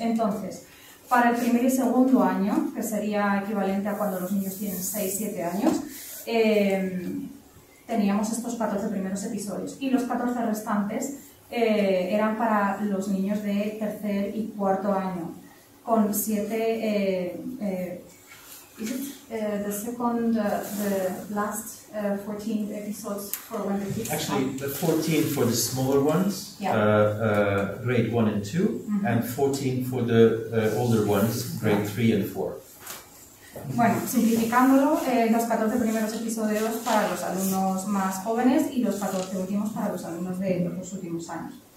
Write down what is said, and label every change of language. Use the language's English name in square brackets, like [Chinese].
[Spanish] Entonces, para el primer y segundo año, que sería equivalente a cuando los niños tienen 6-7 años, teníamos estos 14 primeros episodios. Y los 14 restantes eran para los niños de tercer y cuarto año, con 7 [English] Is it the second, the last 14th episode for when the kids actually come? The 14th for the smaller ones, grade 1 and 2, mm-hmm. and 14th for the older ones, grade 3 and 4. [Spanish] Bueno, simplificándolo, los 14 primeros episodios para los alumnos más jóvenes y los 14 últimos para los alumnos de los últimos años.